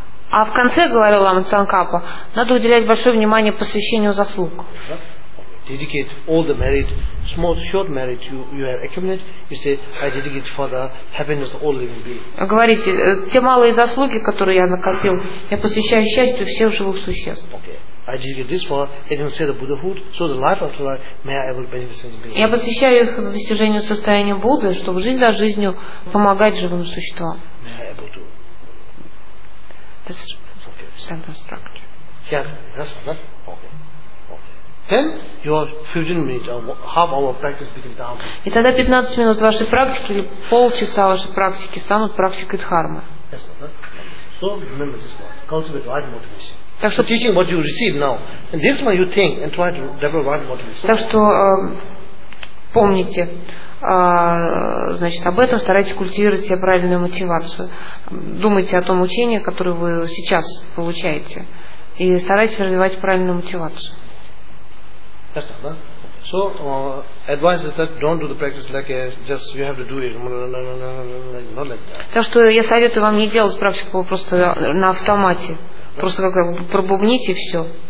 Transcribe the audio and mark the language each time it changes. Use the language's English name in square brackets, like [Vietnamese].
[Russian] А в конце, говорил Лама Цанкапа, надо уделять большое внимание посвящению заслуг. [English] dedicate all the merit, small, short merit you have accumulated, you say, I dedicate for the happiness of all living beings. [Russian] Говорите, те малые заслуги, которые я накопил, я посвящаю счастью всех живых существ. [English] Okay. I dedicate this for attainment of the Buddhahood, so the life after life may I have a beneficent being. [Russian] Я посвящаю их достижению состояния Будды, чтобы жизнь за жизнью помогать живым существам. [English] May I able to... That's okay. Sentence structure. Yeah, that's not okay. Then your 15 minutes, half hour practice becomes dharma. И тогда 15 минут вашей практики или полчаса вашей практики станут практикой дхармы. Yes, that's not. So remember this one. Cultivate right motivation. [Russian] Так что [English] teaching what you receive now, and this one you think and try to develop right motivation. [Russian] Так что помните, значит, об этом, старайтесь культивировать себе правильную мотивацию. Думайте о том учении, которое вы сейчас получаете, и старайтесь развивать правильную мотивацию. [English] Yes, that, huh? So, advice is that don't do the practice like just you have to do it, not like that. [Russian] Так что я советую вам не делать практику просто на автомате, просто как пробубните все.